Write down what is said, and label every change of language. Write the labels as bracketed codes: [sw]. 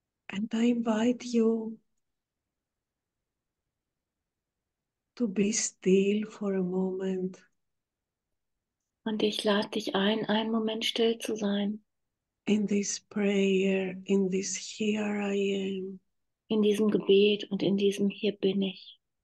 [en] And I invite you to be still for a moment. [de] Und ich lade dich ein, einen Moment still zu sein. [en] In this prayer, in this here I am. [de] In diesem Gebet und in diesem hier bin ich.